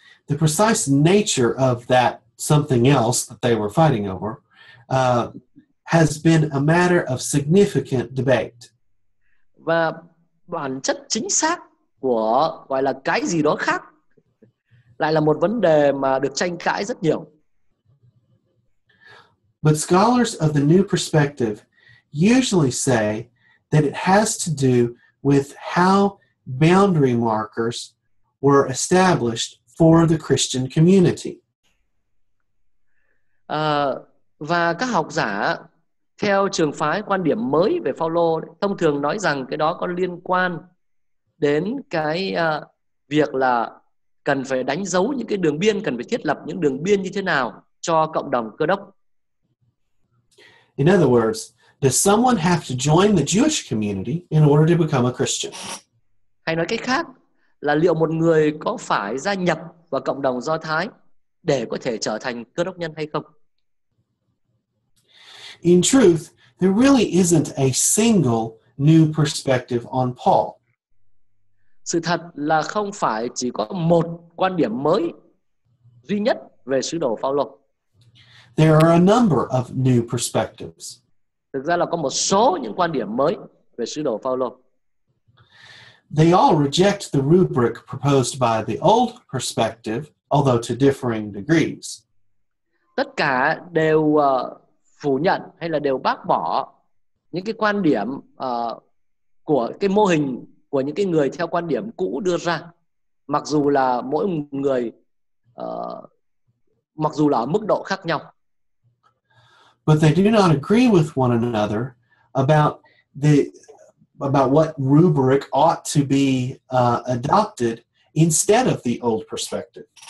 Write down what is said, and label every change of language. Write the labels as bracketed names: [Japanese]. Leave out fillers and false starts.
[English] The precise nature of that something else that they were fighting over has been a matter of significant debate. [Vietnamese] Và bản chất chính xác của gọi là cái gì đó khác lại là một vấn đề mà được tranh cãi rất nhiều. [English] But scholars of the new perspective usually say that it has to do with how boundary markers were established for the Christian community. [Vietnamese] Và các học giả theo trường phái quan điểm mới về Phao-lô thông thường nói rằng cái đó có liên quan đến cái việc là cần phải đánh dấu những cái đường biên, cần phải thiết lập những đường biên như thế nào cho cộng đồng Cơ Đốc. [English] In other words, does someone have to join the Jewish community in order to become a Christian? [Vietnamese] Hay nói cách khác là liệu một người có phải gia nhập vào cộng đồng Do Thái để có thể trở thành Cơ Đốc nhân hay không? [English] In truth, there really isn't a single new perspective on Paul. [Vietnamese] Sự thật là không phải chỉ có một quan điểm mới duy nhất về sứ đồ Phao-lô. [English] There are a number of new perspectives. [Vietnamese] Thực ra là có một số những quan điểm mới về sứ đồ Phao-lô. [English] They all reject the rubric proposed by the old perspective, although to differing degrees. [Vietnamese] Tất cả đều phủ nhận hay là đều bác bỏ những cái quan điểm của cái mô hình của những cái người theo quan điểm cũ đưa ra, mặc dù là mỗi người mặc dù là ở mức độ khác nhau. [English] But they do not agree with one another about what rubric ought to be adopted instead of the old perspective.